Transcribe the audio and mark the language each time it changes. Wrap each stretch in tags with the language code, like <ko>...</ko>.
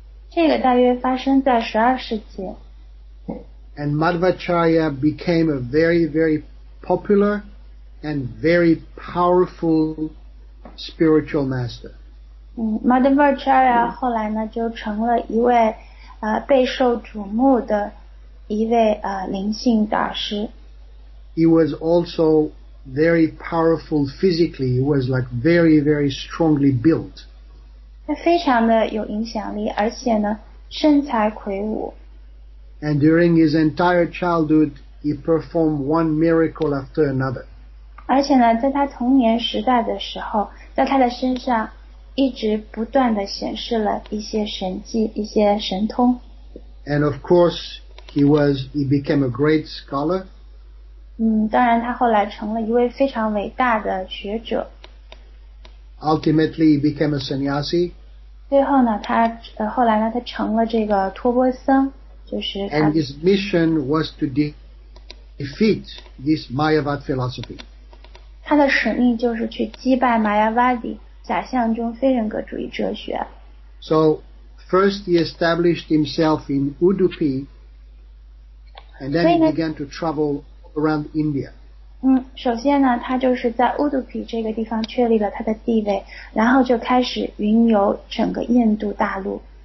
<zh>这个大约发生在十二世纪。</zh> <en>And Madhvacharya became a very, very popular and very powerful spiritual master.</en> <zh>Madhvacharya 后来呢就成了一位备受瞩目的一位灵性导师。</zh> <en>He was also very powerful physically. He was like very, very strongly built.</en> <zh>他非常的有影响力，而且呢身材魁梧。</zh> <en>And during his entire childhood, he performed one miracle after another.</en> <zh>而且呢，在他童年时代的时候，在他的身上一直不断地显示了一些神迹，一些神通。</zh> <en>And of course, he became a great scholar.</en> <zh>当然他后来成了一位非常伟大的学者。</zh> <en>Ultimately, he became a sannyasi.</en> <zh>最后呢，他后来呢，他成了这个托钵僧，就是。</zh> <en>And his mission was to defeat this Mayavad philosophy.</en> <zh>他的使命就是去击败玛雅瓦底假象中非人格主义哲学。</zh> <en>So, first he established himself in Udupi, and then he began to travel around India.</en> <zh>首先呢，他就是在 Udupi 这个地方确立了他的地位，然后就开始云游整个印度大陆。</zh>